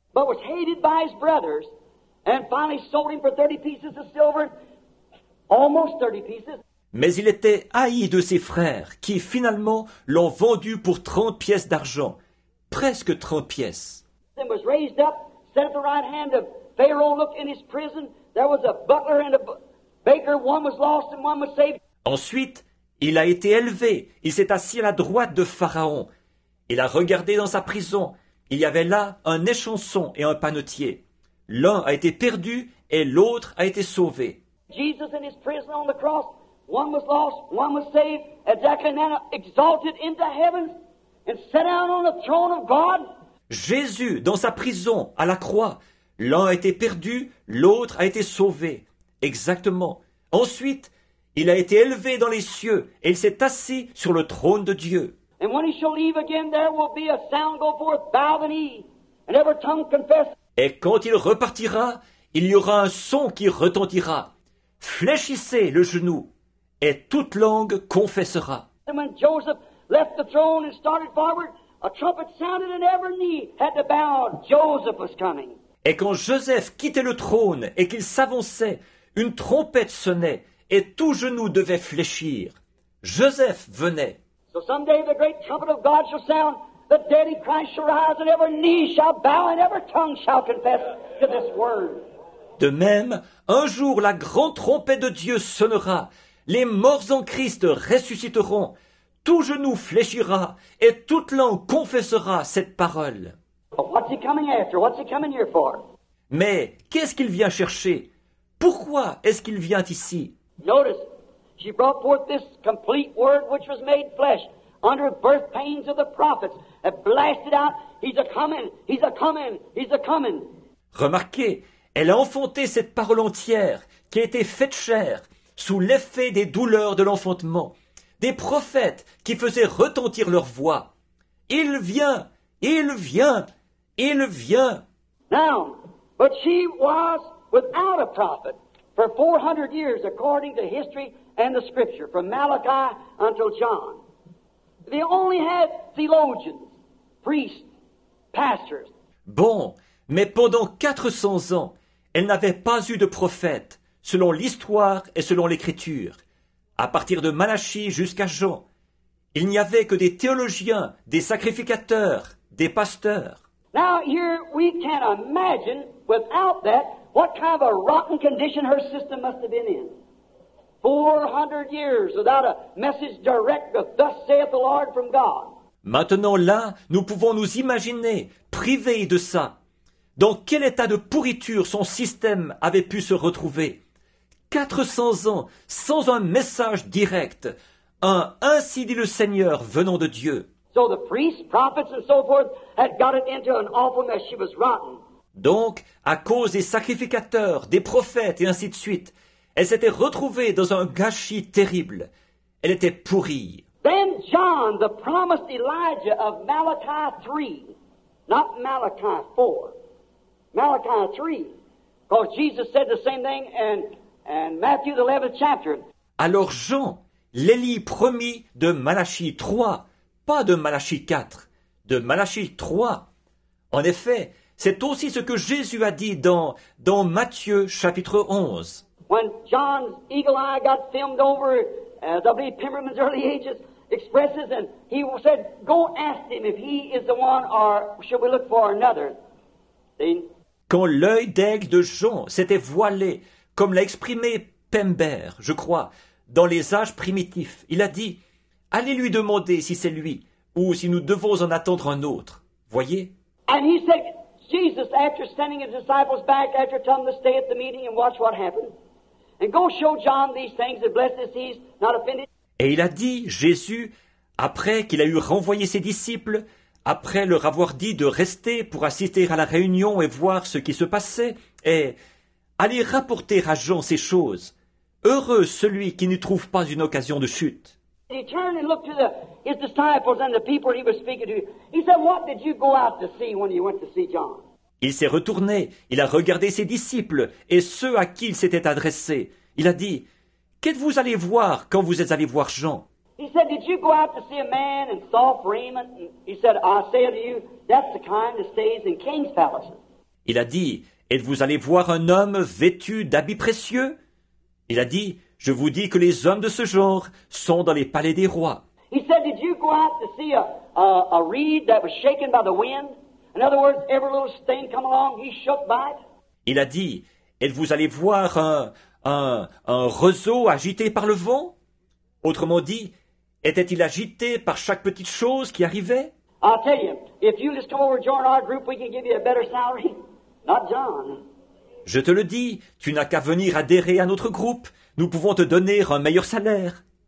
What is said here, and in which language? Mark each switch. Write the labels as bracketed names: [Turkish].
[English] But was hated by his brothers, and finally sold him for 30 pieces of silver, almost 30 pieces. [French] Mais il était haï de ses frères qui, finalement, l'ont vendu pour 30 pièces d'argent. Presque 30 pièces. [English] He was raised up, set at the right hand of Pharaoh, looked in his prison. There was a butler and a baker. One was lost and one was saved. [French] Ensuite, il a été élevé. Il s'est assis à la droite de Pharaon. Il a regardé dans sa prison. Il y avait là un échanson et un panetier. L'un a été perdu et l'autre a été sauvé. [English] Jesus in his prison on the cross. One was lost, one was saved. Exactly now, exalted into heaven and set down on the throne of God. [French] Jésus dans sa prison à la croix. L'un a été perdu, l'autre a été sauvé. Exactement. Ensuite, il a été élevé dans les cieux et il s'est assis sur le trône de Dieu. [English] And when he shall leave again, there will be a sound go forth, bow the knee, and every tongue confess. [French] Et quand il repartira, il y aura un son qui retentira. Fléchissez le genou, et toute langue confessera. [English] And when Joseph left the throne and started forward, a trumpet sounded and every knee had to bow. Joseph was coming. [French] Et quand Joseph quittait le trône et qu'il s'avançait, une trompette sonnait et tout genou devait fléchir. Joseph venait. [English] So someday the great trumpet of God shall sound, the dead in Christ shall rise, and every knee shall bow, and every tongue shall confess to this word. [French] De même, un jour la grande trompette de Dieu sonnera, les morts en Christ ressusciteront, tout genou fléchira, et toute langue confessera cette parole. [English] What's he coming after? What's he coming here for? [French] Mais qu'est-ce qu'il vient chercher? Pourquoi est-ce qu'il vient ici? [English] Notice, she brought forth this complete word which was made flesh under birth pains of the prophets and blasted out, he's a coming, he's a coming, he's a coming. [French] Remarquez, elle a enfanté cette parole entière qui a été faite chair sous l'effet des douleurs de l'enfantement, des prophètes qui faisaient retentir leur voix. Il vient! Il vient! Il vient! [English] Now, but she was without a prophet for 400 years according to history and the scripture, from Malachi until John. They only had theologians, priests, pastors. [French] Bon, mais pendant 400 ans, elle n'avait pas eu de prophète, selon l'histoire et selon l'écriture. À partir de Malachie jusqu'à Jean, il n'y avait que des théologiens, des sacrificateurs, des pasteurs. [English] Now here we can imagine without that what kind of a rotten condition her system must have been in. 400 years without a message direct of thus saith the Lord from God. [French] Maintenant là, nous pouvons nous imaginer, privés de ça, dans quel état de pourriture son système avait pu se retrouver. 400 ans sans un message direct, un « ainsi dit le Seigneur » venant de Dieu. [English] So the priests, prophets and so forth had got it into an awful mess. She was rotten. [French] Donc, à cause des sacrificateurs, des prophètes et ainsi de suite, elle s'était retrouvée dans un gâchis terrible. Elle était pourrie. [English] Then John, the promised Elijah of Malachi 3, not Malachi 4, Malachi 3, because Jesus said the same thing in Matthew, the 11th chapter. [French] Alors Jean, l'Élie promis de Malachie 3, pas de Malachie 4, de Malachie 3. En effet, c'est aussi ce que Jésus a dit dans Matthieu chapitre 11. [English] When John's eagle eye got filmed over, I believe Pimmerman's early ages expresses, and he said, go ask him if he is the one or should we look for another. See? [French] Quand l'œil d'aigle de Jean s'était voilé, comme l'a exprimé Pember, je crois, dans les âges primitifs, il a dit, allez lui demander si c'est lui ou si nous devons en attendre un autre. Voyez. [English] And he said, Jesus, after sending his disciples back, after telling them to stay at the meeting and watch what happened, and go show John these things and bless his ears, not offended. [French] Et il a dit, Jésus, après qu'il a eu renvoyé ses disciples, après leur avoir dit de rester pour assister à la réunion et voir ce qui se passait, et allez rapporter à Jean ces choses. Heureux celui qui n'y trouve pas une occasion de chute. [English] He turned and looked to his disciples and the people he was speaking to. He said, what did you go out to see when you went to see John? [French] Il s'est retourné, il a regardé ses disciples et ceux à qui il s'était adressé. Il a dit, qu'êtes-vous allé voir quand vous êtes allé voir Jean? [English] He said, did you go out to see a man in soft raiment? He said, I say to you, that's the kind that stays in king's palaces. [French] Il a dit, êtes-vous allé voir un homme vêtu d'habits précieux? Il a dit, Je vous dis que les hommes de ce genre sont dans les palais des rois. [English] He said, did you go out to see a reed that was shaken by the wind? In other words, every little stain come along, he shook by it. [French] Il a dit, êtes-vous allé voir un roseau agité par le vent? Autrement dit, était-il agité par chaque petite chose qui arrivait? [English] I'll tell you, if you just come over and join our group, we can give you a better salary. Not John. [French] Je te le dis, tu n'as qu'à venir adhérer à notre groupe. Nous pouvons te donner un meilleur salaire.